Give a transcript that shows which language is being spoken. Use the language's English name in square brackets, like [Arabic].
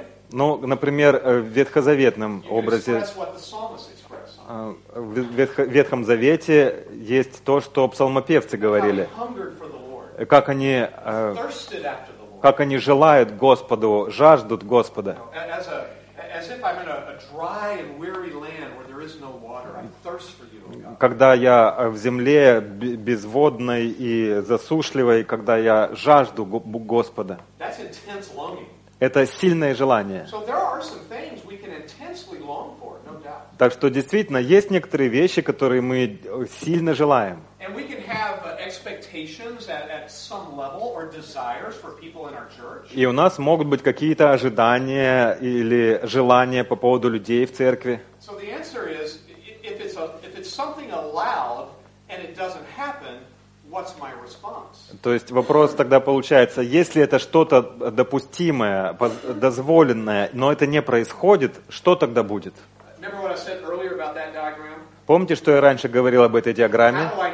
[Russian] Ну, например, в ветхозаветном образе, в Ветхом Завете есть то, что псалмопевцы говорили. Как они желают Господу, жаждут Господа. [English] as if I'm in a dry and weary land where there is no water. I thirst for you, O God. [Russian] Когда я в земле безводной и засушливой, когда я жажду Господа. [English] That's intense longing. [Russian] Это сильное желание. [English] So there are some things we can intensely long for, no doubt. [Russian] Так что действительно есть некоторые вещи, которые мы сильно желаем. [English] And we can have expectations at some level or desires for people in our church. [Russian] И у нас могут быть какие-то ожидания или желания по поводу людей в церкви. [English] So the answer is if it's something allowed and it doesn't happen, what's my response? [Russian] То есть вопрос тогда получается, если это что-то допустимое, дозволенное, но это не происходит, что тогда будет? [English] Remember what I said earlier about that diagram? [Russian] Помните, что я раньше говорил об этой диаграмме?